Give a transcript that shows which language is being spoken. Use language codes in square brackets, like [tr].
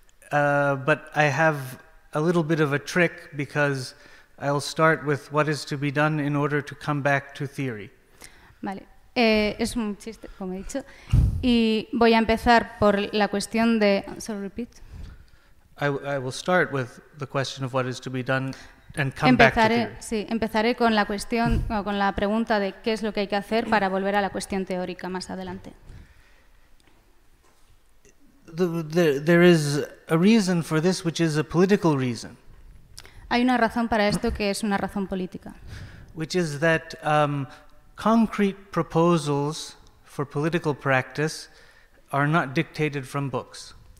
[en] But I have a little bit of a trick because I'll start with what is to be done in order to come back to theory. [es] Vale. Es un chiste, como he dicho. Y voy a empezar por la cuestión de... [en] Sorry, repeat. I will start with the question of what is to be done and come [es] empezaré, [en] back to theory. [es] Sí, empezaré con la cuestión, o con la pregunta de qué es lo que hay que hacer para volver a la cuestión teórica más adelante. [en] There is a reason for this, which is a political reason. [es] Hay una razón para esto que es una razón política. [en] Which is that concrete proposals for political practice are not dictated from books.